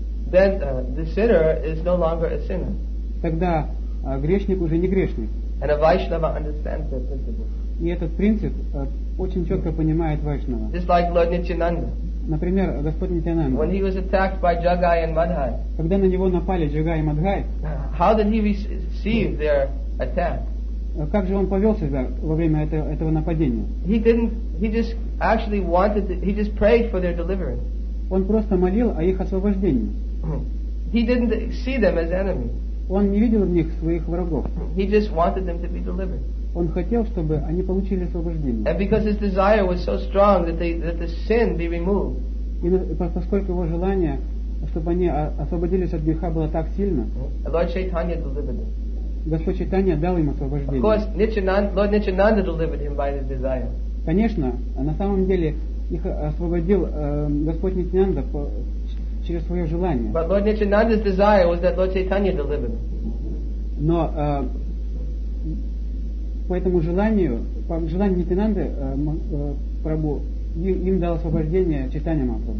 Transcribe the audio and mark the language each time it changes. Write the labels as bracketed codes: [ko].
[en] then the sinner is no longer a sinner. [ru] Тогда грешник уже не грешник. [en] And a Vaishnava understands that principle. [ru] И этот принцип очень четко понимает Вайшнава. [en] Just like Lord Nityananda. [ru] Например, Господь Нитянанда. [en] When he was attacked by Jagai and Madhai. [ru] Когда на него напали Джагай и Мадхай. [en] How did he receive their attack? [ru] Как же он повел себя во время этого нападения? Он просто молил о их освобождении. [en] He didn't see them as enemies. [ru] Он не видел в них своих врагов. [en] He just wanted them to be delivered. [ru] Он хотел, чтобы они получили освобождение. [en] And because his desire was so strong that the sin be removed. [ru] И поскольку его желание, чтобы они освободились от греха, было так сильно, [en] Lord Chaitanya delivered them. [ru] Господь Чайтанья дал им освобождение. [en] Of course, Lord Nityananda delivered him by his desire. [ru] Конечно, на самом деле их освободил Господь Нитянанда через свое желание. [en] But Lord Nityananda's desire was that Lord Chaitanya delivered. [ru] Но по этому желанию, по желанию Нитянанды Прабху, им дал освобождение Чайтанья Махапрабху.